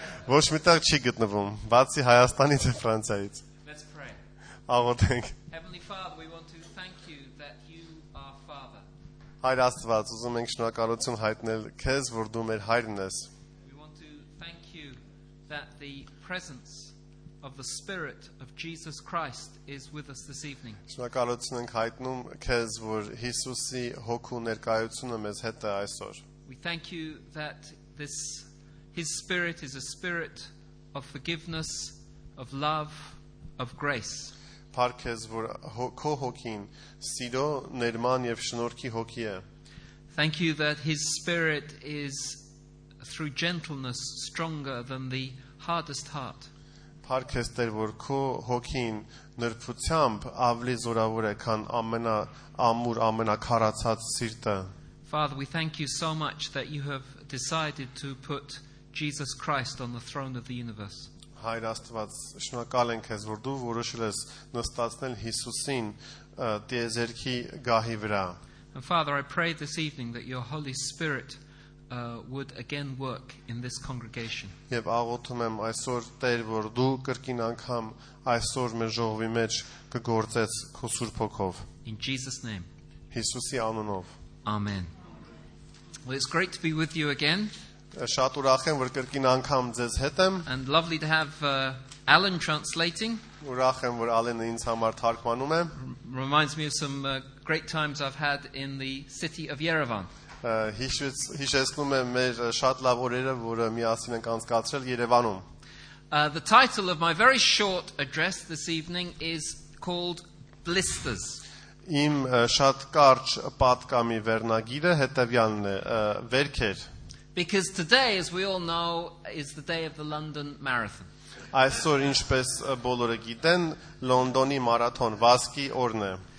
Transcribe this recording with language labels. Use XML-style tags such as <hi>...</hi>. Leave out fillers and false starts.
<hy>Ոչ մի տեղ չի գտնվում, բացի Հայաստանից և Ֆրանսիայից.</hy> <en>Let's pray.</en> <hy>Աղոթենք.</hy> <en>Heavenly Father, we want to thank you that you are Father.</en> <hy>Հայր Աստված, ուզում ենք շնորհակալություն հայտնել քեզ, որ դու մեր հայրն ես.</hy> <en>We want to thank you that the presence of the Spirit of Jesus Christ is with us this evening.</en> <hy>Շնորհակալություն ենք հայտնում քեզ, որ Հիսուսի հոգու ներկայությունը մեզ հետ է այսօր.</hy> <en>We thank you that this His spirit is a spirit of forgiveness, of love, of grace.</en> <hy>Պարքեզ, որ քո հոգին սիրո, ներման եւ շնորհքի հոգի է.</hy> <en>Thank you that his spirit is through gentleness stronger than the hardest heart.</en> <hy>Պարքեզ, Տեր, որ քո հոգին նրբությամբ ավելի զորավոր է, քան ամենաամուր, ամենաքարացած սիրտը.</hy> <en>Father, we thank you so much that you have decided to put Jesus Christ on the throne of the universe.</en> <hy>Հայր Աստված, շնորհակալ ենք քեզ, որ դու որոշել ես նստացնել Հիսուսին տիեզերքի գահի վրա.</hy> <en>And Father, I pray this evening that your Holy Spirit would again work in this congregation.</en> <hy>Եվ աղոթում եմ այսօր, Տեր, որ դու կրկին անգամ այսօր մեր ժողովի մեջ կգործես քո Սուրբ Հոգով.</hy> <en>In Jesus name.</en> <hy>Հիսուսի անունով.</hy> <en>Amen. Well, it's great to be with you again.</en> <hy>Շատ ուրախ եմ, որ կրկին անգամ ձեզ հետ եմ.</hy> <en>And lovely to have Alan translating.</en> <hy>Ուրախ եմ, որ Ալենը ինձ համար թարգմանում է.</hy> <en>Reminds me of some great times I've had in the city of Yerevan.</en> <hy>Հիշեցնում եմ մեր շատ լավ օրերը, որը միասին ենք անցկացրել Երևանում.</hy> <en>The title of my very short address this evening is called Blisters.</en> <hy>Իմ շատ կարճ պատկամի վերնագիրը հետևյալն է. Վերքեր.</hy> <en>Because today, as we all know, is the day of the London Marathon.</en> <hy>Այսօր, ինչպես բոլորը գիտեն, Լոնդոնի մարաթոն վազքի օրն է.</hy>